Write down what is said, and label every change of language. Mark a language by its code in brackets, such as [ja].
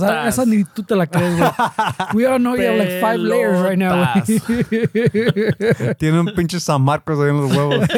[es] Go pelotas. Esa ni tú te la crees, güey. [en] We all know you have like 5 layers right now. [es] Tiene un pinche San Marcos ahí en los huevos.